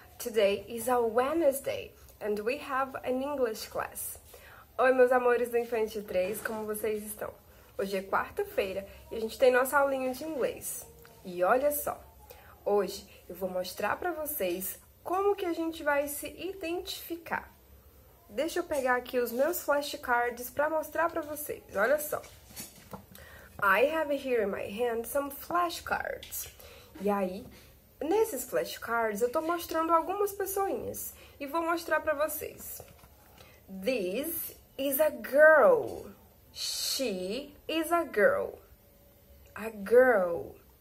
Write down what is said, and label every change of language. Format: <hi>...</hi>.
<en>Today is a Wednesday and we have an English class.</en> <pt>Oi, meus amores do Infante 3, como vocês estão? Hoje é quarta-feira e a gente tem nossa aulinha de inglês. E olha só, hoje eu vou mostrar pra vocês como que a gente vai se identificar. Deixa eu pegar aqui os meus flashcards pra mostrar pra vocês, olha só.</pt> <en>I have here in my hand some flashcards.</en> <pt>E aí, nesses flashcards, eu tô mostrando algumas pessoinhas e vou mostrar pra vocês.</pt> <en>This is a girl. She is a girl. A girl.</en>